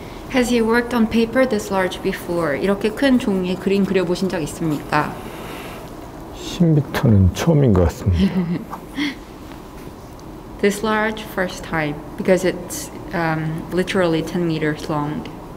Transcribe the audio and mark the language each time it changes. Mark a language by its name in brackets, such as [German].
[English] Has he worked on paper this large before? [Korean] 이렇게 큰 종이에 그림 그려보신 적 있습니까? 10m는 처음인 것 같습니다. [English] This large first time because it's literally 10 meters long.